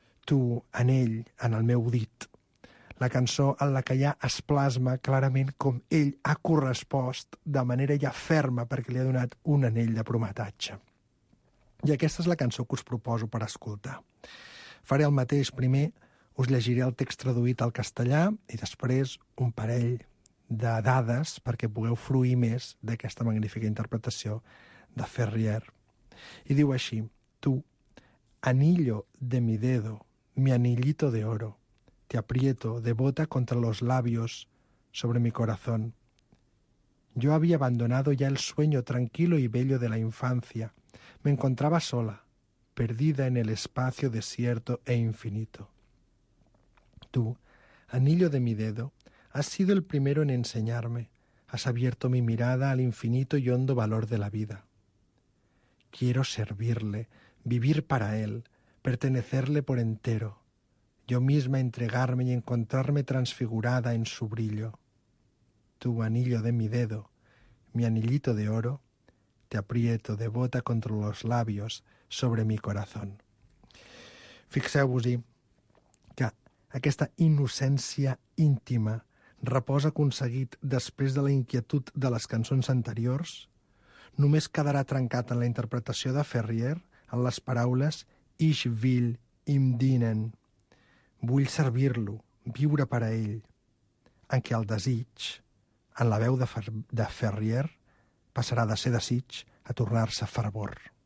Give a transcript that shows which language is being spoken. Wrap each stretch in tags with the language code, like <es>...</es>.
<ca>tu en ell, en el meu dit. La cançó en la que ja es plasma clarament com ell ha correspost de manera ja ferma perquè li ha donat un anell de prometatge. I aquesta és la cançó que us proposo per escoltar. Faré el mateix. Primer us llegiré el text traduït al castellà i després un parell de dades perquè pugueu fruir més d'aquesta magnífica interpretació de Ferrier.</ca> <es>I diu així: tu, anillo de mi dedo, mi anillito de oro, te aprieto de bota contra los labios sobre mi corazón. Yo había abandonado ya el sueño tranquilo y bello de la infancia. Me encontraba sola, perdida en el espacio desierto e infinito. Tú, anillo de mi dedo, has sido el primero en enseñarme. Has abierto mi mirada al infinito y hondo valor de la vida. Quiero servirle, vivir para él, pertenecerle por entero. Yo misma entregarme y encontrarme transfigurada en su brillo. Tu anillo de mi dedo, mi anillito de oro, te aprieto de bota contra los labios sobre mi corazón.</es> <ca>Fixeu-vos-hi que aquesta innocència íntima reposa aconseguit després de la inquietud de les cançons anteriors, només quedarà trencat en la interpretació de Ferrier en les paraules</ca> <de>«Ich will ihm dienen»,</de> <ca>vull servir-lo, viure per a ell, en què el desig, en la veu de Ferrier, passarà de ser desig a tornar-se fervor.</ca>